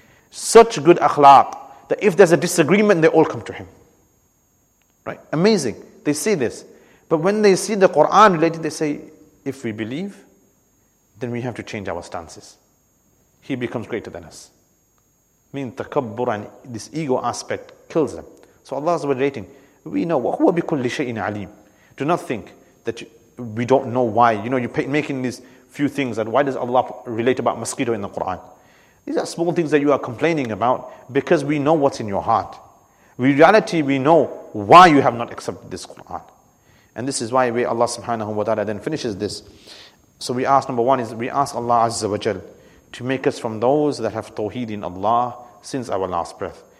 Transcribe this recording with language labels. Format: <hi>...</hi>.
<en>Such good akhlaq that if there's a disagreement, they all come to him. Right? Amazing. They see this. But when they see the Quran related, they say, if we believe, then we have to change our stances. He becomes greater than us. I mean, takabbur and this ego aspect kills them. So Allah is relating. We know,</en> <ar>وَهُوَ بِكُلِّ شَيْءٍ عَلِيمٍ.</ar> <en>Do not think that we don't know why. You know, you're making these few things that why does Allah relate about mosquito in the Quran? These are small things that you are complaining about because we know what's in your heart. In reality, we know why you have not accepted this Quran. And this is why we Allah subhanahu wa ta'ala then finishes this. So we ask, number one is, we ask Allah azza wa jal to make us from those that have tawheed in Allah since our last breath.</en>